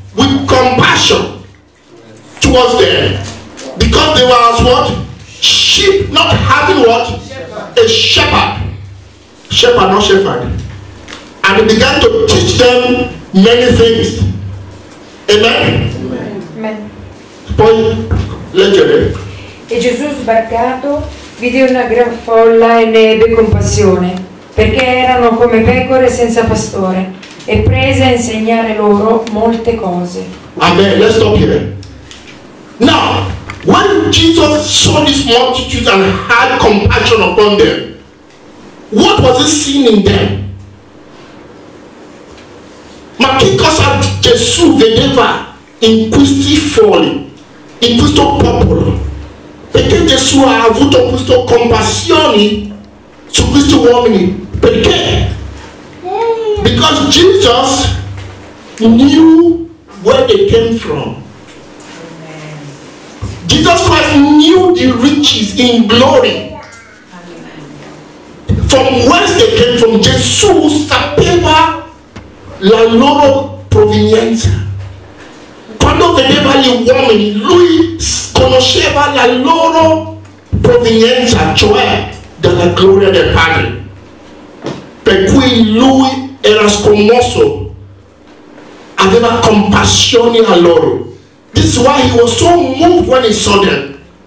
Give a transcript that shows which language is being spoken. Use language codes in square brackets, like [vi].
[en] With compassion towards them. Because they were as what? Sheep, not having what? Shepherd. A shepherd. Shepherd, not shepherd. And he began to teach them many things. Amen? Amen. [it] Poi, leggere. E Gesù sbarcato vide una gran folla e ne ebbe compassione, perché erano come pecore senza pastore, e prese a insegnare loro molte cose. [en] Amen. Let's stop here. Now, when Jesus saw this multitude and had compassion upon them, what was he seeing in them? [it] Ma che cosa Jesus veniva in questi folli, in questo popolo, perché Gesù ha avuto questa compassione su questi uomini? [en] Perché? Because Jesus knew where they came from. Jesus Christ knew the riches in glory. From whence they came from, [it] Jesus sapeva la loro provenienza. Quando vedeva gli uomini, lui conosceva la loro provenienza, cioè dalla gloria del Padre. Per cui lui era scommosso, aveva compassione a loro. [en] This is why he was so moved when he saw them.